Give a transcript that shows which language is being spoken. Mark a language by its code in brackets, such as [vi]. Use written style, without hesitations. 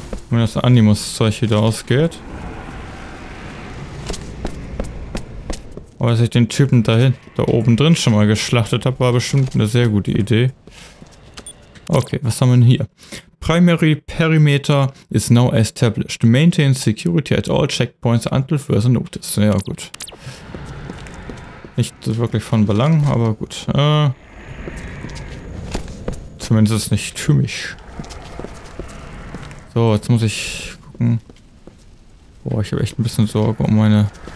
[de] Wenn das Animus-Zeug wieder ausgeht. Aber dass ich den Typen da oben drin schon mal geschlachtet habe, war bestimmt eine sehr gute Idee. Okay, was haben wir denn hier? [en] Primary Perimeter is now established. Maintain security at all checkpoints until further notice. [de] Ja, gut. Nicht wirklich von Belang, aber gut. Zumindest ist nicht für mich. So, jetzt muss ich gucken. Boah, ich habe echt ein bisschen Sorge um meine...